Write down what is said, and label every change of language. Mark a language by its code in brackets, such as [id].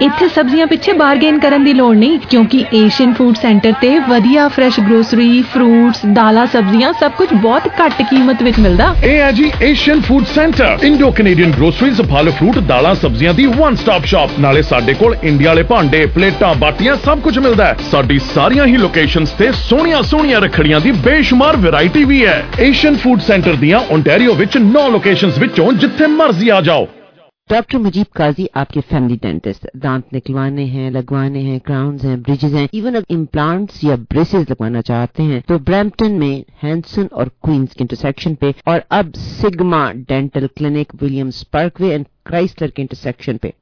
[pa] Asian food centre تے ودیا fresh grocery fruits دالاں سبزیاں سب کچھ بہت کٹ قیمت وچ ملدا. Asian food centre Indo Canadian groceries پھل فروٹ دالاں سبزیاں دی ون سٹاپ شاپ, نالے ساڈے کول انڈیا والے بھانڈے پلیٹاں باٹیاں سب کچھ ملدا. ساڈی ساریاں ہی لوکیشنز تے سونیاں سونیاں رکھڑیاں دی بے شمار ویرائٹی وی ہے. ایشین فوڈ سینٹر دیاں انٹیریو وچ 9 لوکیشنز وچوں جتھے مرضی آ جاؤ. [ur] ڈاکٹر مجیب قاضی آپ کے فیملی ڈینٹسٹ, دانت نکلوانے ہیں, لگوانے ہیں, کراؤنز ہیں, بریجز ہیں, ایون اگر امپلانٹس یا بریسز لگوانا چاہتے ہیں تو برامپٹن میں ہینسن اور کوئنز کے انٹرسیکشن پہ, اور اب sigma dental clinic Williams park way and کرائسلر کے انٹرسیکشن پہ.